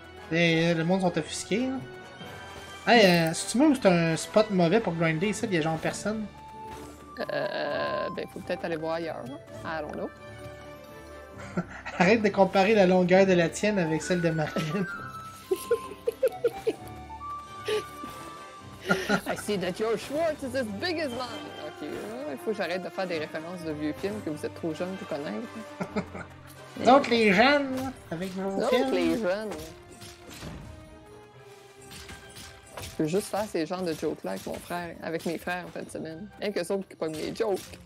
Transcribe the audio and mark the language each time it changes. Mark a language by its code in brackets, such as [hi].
[fr] Et le monde sont offusqués, là. Hey, si tu me dis que c'est un spot mauvais pour grinder, ça, il y a genre personne. Ben, faut peut-être aller voir ailleurs. [en] Là. I don't know. [fr] Arrête de comparer la longueur de la tienne avec celle de Marine. [en] I see that your Schwartz is as big as mine. [fr] Ok, là, il faut que j'arrête de faire des références de vieux films que vous êtes trop jeunes pour connaître. Donc les jeunes, avec vos Donc films. Les jeunes. Je peux juste faire ces genres de jokes-là avec mon frère, avec mes frères en fin de semaine. Rien que sauf qu'ils pognent les jokes.